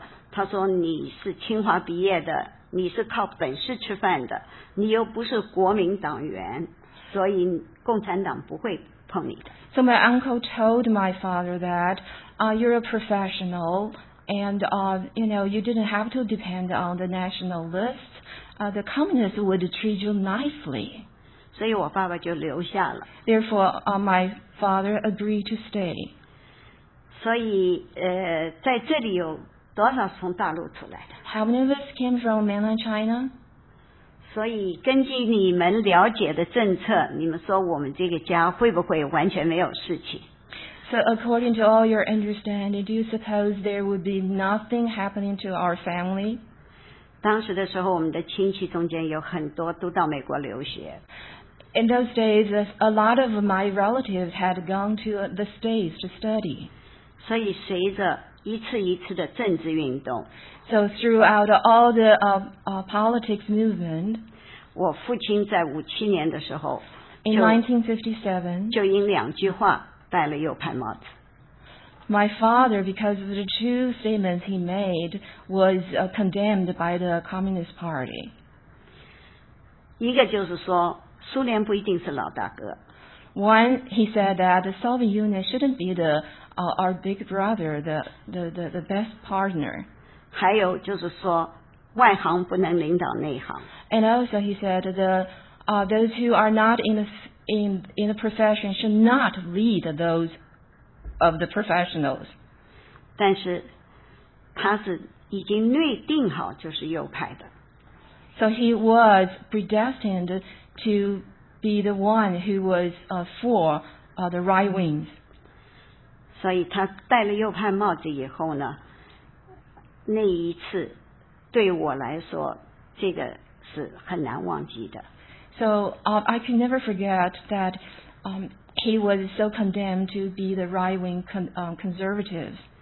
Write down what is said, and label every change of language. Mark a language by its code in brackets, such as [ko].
[zh] 他说你是清华毕业的，你是靠本事吃饭的，你又不是国民党员，所以共产党不会碰你的。 [en] So my uncle told my father that you're a professional, and you know, you didn't have to depend on the nationalists. The communists would treat you nicely. [zh] 所以我爸爸就留下了。 [en] Therefore, my father agreed to stay. [zh] 所以在这里有多少从大陆出来的？ [en] How many of us came from mainland China? [zh] 所以根据你们了解的政策，你们说我们这个家会不会完全没有事情？ [en] So according to all your understanding, do you suppose there would be nothing happening to our family? [zh] 当时的时候，我们的亲戚中间有很多都到美国留学。 [en] In those days, a lot of my relatives had gone to the States to study. [zh] 所以随着一次一次的政治运动 [en] ，So throughout all the politics movement， [zh] 我父亲在1957年的时候 [en] ，In 1957， [zh] 就因两句话戴了右派帽子。 [en] My father, because of the two statements he made, was condemned by the Communist Party. [zh] 一个就是说，苏联不一定是老大哥。 [en] One, he said that the Soviet Union shouldn't be the our big brother, the best partner. [zh] 还有就是说，外行不能领导内行。 [en] And also he said the those who are not in the profession should not lead those of the professionals. [zh] 但是他是已经内定好就是右派的。 [en] So he was predestined to be the one who was for the right wings. [zh] 所以他戴了右派帽子以后呢，那一次对我来说，这个是很难忘记的。 [en] So I can never forget that he was so condemned to be the right wing conservatives.